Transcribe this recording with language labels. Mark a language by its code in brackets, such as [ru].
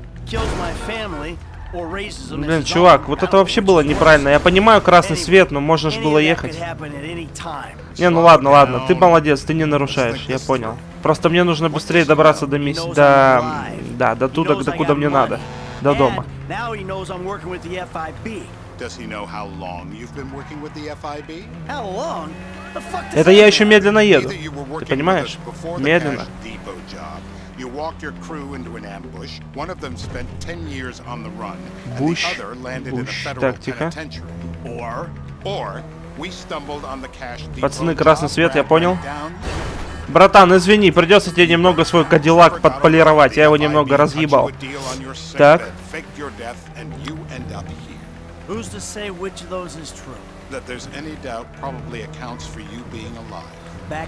[ru] Блин, чувак, вот это вообще было неправильно. Я понимаю красный свет, но можно же было ехать. Не, ну ладно, ладно. Ты молодец, ты не нарушаешь, я понял. Просто мне нужно быстрее добраться до мисс... До... Да, до туда, до куда мне надо. До дома. [en] Does he know how long you've been working with the FIB? How long? [ru] Это я еще медленно еду. Ты понимаешь? Медленно. [en] You walked your crew into an ambush. One of them spent 10 years on the run, Bush. And the other landed in a federal penitentiary. Or we stumbled on the cash depot. [ru] Пацаны, красный свет, я понял. Братан, извини, придется тебе немного свой Кадиллак подполировать. Я его немного разъебал. Так. [en] Who's to say which of those is true? That there's any doubt probably accounts for you being alive.